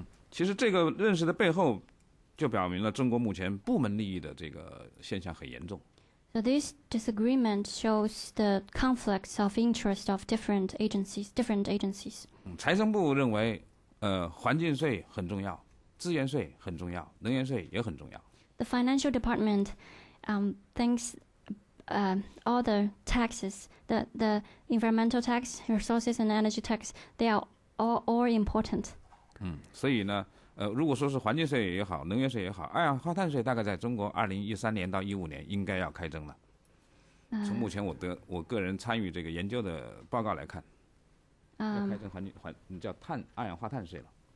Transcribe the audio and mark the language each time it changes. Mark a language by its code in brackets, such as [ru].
[zh] 其实这个认识的背后，就表明了中国目前部门利益的这个现象很严重。 [en] So this disagreement shows the conflicts of interest of different agencies. Different agencies. [zh] 财政部认为，环境税很重要，资源税很重要，能源税也很重要。 [en] The financial department, thinks, all the taxes, the environmental tax, resources and energy tax, they are. All important. [zh] 所以呢，如果说是环境税也好，能源税也好，二氧化碳税大概在中国2013年到2015年应该要开征了。从目前我个人参与这个研究的报告来看，要开征叫碳二氧化碳税了。